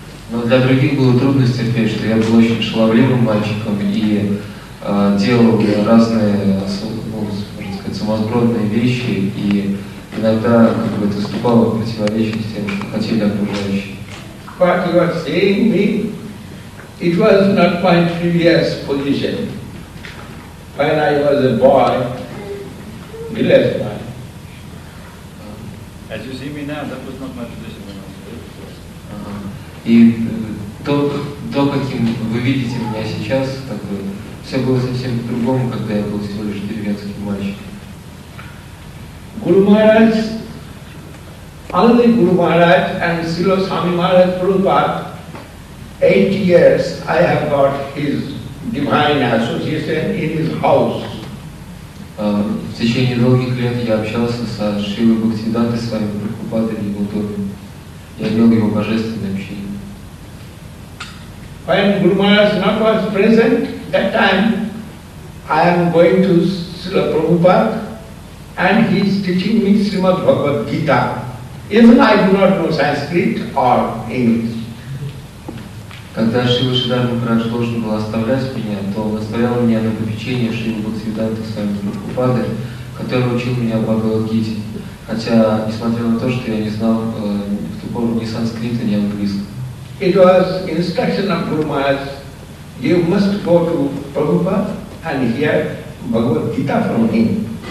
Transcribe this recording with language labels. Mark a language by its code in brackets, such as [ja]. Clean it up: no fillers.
[ru] Но для других было трудно терпеть, что я был очень шаловливым мальчиком и делал разные, можно сказать, сумасбродные вещи, и иногда как бы это вступало в противоречие с тем, что хотели окружающие. [en] But you are saying me, it was not my previous position. When I was a boy, village boy. As you see me now, that was not my position when I was [ru] И то, каким вы видите меня сейчас, так бы, все было совсем по-другому, когда я был всего лишь деревенским мальчиком. [en] Guru Maharaj, only Guru Maharaj and Srila Swami Maharaj Prabhupada, 8 years I have got his divine association in his house. [ru] В течение долгих лет я общался со Шрилой Бхактисиддхантой Свами Прабхупадой и его доме. Я имел его божественное общение. [en] When Guru Maharaj not was present, that time I am going to Srila Prabhupada and he is teaching me Srimad Bhagavad Gita. Even I do not know Sanskrit or English. [ru] Когда Шрила Шридхар Махарадж должен был оставлять меня, то он оставлял меня на попечение Шрилы Бхактисиддханты Свами Прабхупады, который учил меня о Бхагавад-гите. Хотя, несмотря на то, что я не знал в ту пору ни санскрита, ни английского. [en] It was instruction of Guru Maharaj, you must go to Prabhupada and hear Bhagavad-gita from him.